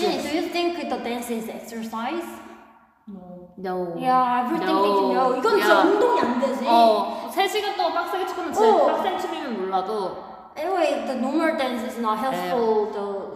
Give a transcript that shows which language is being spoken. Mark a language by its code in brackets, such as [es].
[en] yes. Do you think the dance is exercise? No. No. Yeah, everything is no. [ko] 이건 진짜 [en] yeah. [ko] 운동이 안 되지. 어, 세 시간 동안 빡세게 추면 진짜 oh. 빡센 춤이면 몰라도. [en] Anyway, the normal dance is not helpful yeah.